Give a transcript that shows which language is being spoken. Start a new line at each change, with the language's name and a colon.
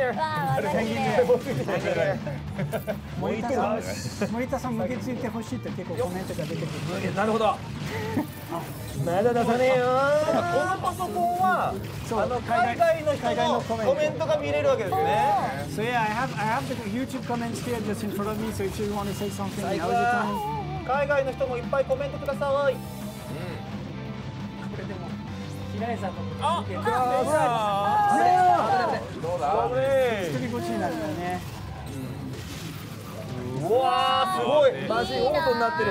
Japanese: ルハンギデルハンギデル森田さん、森田さんムケついてほしいって結構コメントが出てくる。なるほど。まだ出さねえよ。このパソコンはあの海外の人のコメントが見れるわけですね。
English: So yeah, I have the YouTube comments here just in front of me. So if you want to say something, now is the time.
Japanese: 海外の人もいっぱいコメントください。これでも平井さんのこと見て。あ、どうだ。どうだ。一人ごちになるよね。うわあ、すごい。マジオートになってる。